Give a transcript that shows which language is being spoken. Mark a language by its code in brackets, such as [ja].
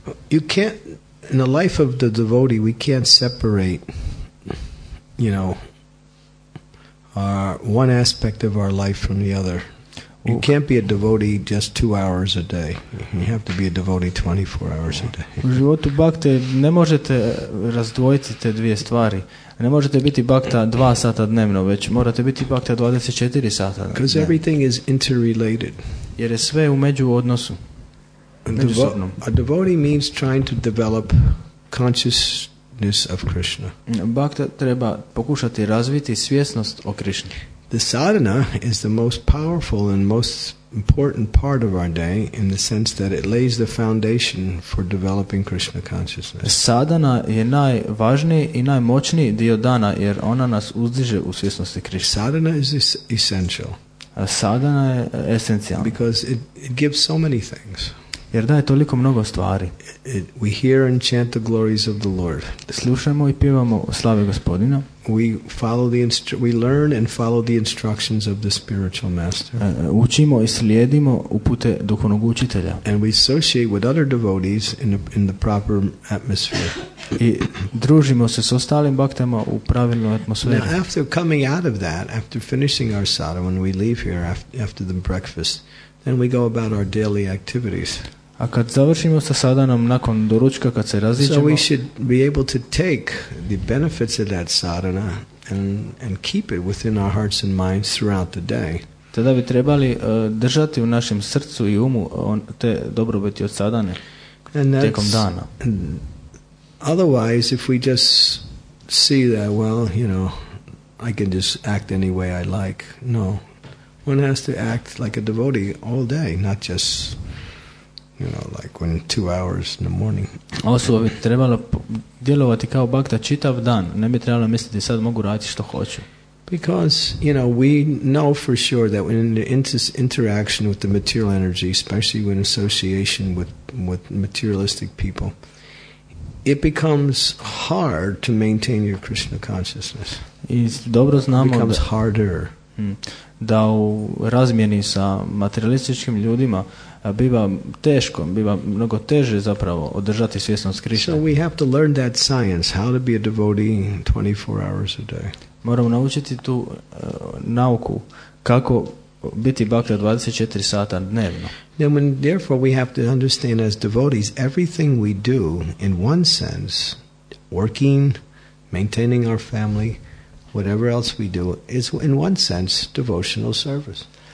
[en] You can't, in the life of the devotee, we can't separate, you know, one aspect of our life from the other. You can't be a devotee just 2 hours a day. You have to be a devotee 24 hours a day. [hr] U životu bhakte ne možete razdvojiti te dvije stvari. Ne možete biti bhakta 2 sata dnevno, već morate biti bhakta 24 sata. [en] Because everything is interrelated. [hr] Jer je sve u međuodnosu. [en] A devotee means trying to develop consciousness of Krishna. [hr] Bhakta treba pokušati razviti svjesnost o Krishni. [en] The sadhana is the most powerful and most important part of our day in the sense that it lays the foundation for developing Krishna consciousness. [hr] Sadhana je najvažniji i najmoćniji dio dana jer ona nas uzdiže u svjesnosti Krishna. [en] Sadhana is essential. [hr] Sadhana je esencijalna. [en] Because it gives so many things. [hr] Jer daje toliko mnogo stvari. [en] We hear and chant the glories of the Lord. [hr] Slušamo i pjevamo slave Gospodina. [en] We learn and follow the instructions of the spiritual master. [hr] Učimo i slijedimo upute duhovnog učitelja. [en] And we associate with other devotees in the proper atmosphere. [hr] I družimo se s ostalim baktama u pravilnoj atmosferi. [en] Now, after coming out of that, after finishing our sadhana, when we leave here after the breakfast, then we go about our daily activities. [hr] A kad završimo sa sadanom nakon doručka, kad se raziđemo, [en] so we should be able to take the benefits of that sadhana and keep it within our hearts and minds throughout the day. [hr] Tada bi trebali držati u našem srcu i umu te dobrobiti od sadane tijekom dana. [en] Otherwise, if we just see that, well, you know, I can just act any way I like. No. One has to act like a devotee all day, not just, you know, like when 2 hours in the morning. [hr] Osoba bi trebala djelovati kao bhakta čitav dan. Ne bi trebala misliti sad mogu raditi što hoću. [en] Because, you know, we know for sure that when in the interaction with the material energy, especially when association with materialistic people, it becomes hard to maintain your Krishna consciousness. [hr] I dobro znamo [en] it becomes harder. [hr] Da u razmjeni sa materialističkim ljudima biva teško, biva mnogo teže zapravo održati svjesnost Krišna. [en] So we have to learn that science, how to be a devotee 24 hours a day. [hr] Moramo naučiti tu nauku kako biti bhakta 24 sata dnevno. [en] And therefore we have to understand as devotees everything we do in one sense, working, maintaining our family, whatever else we do is in one sense devotional service.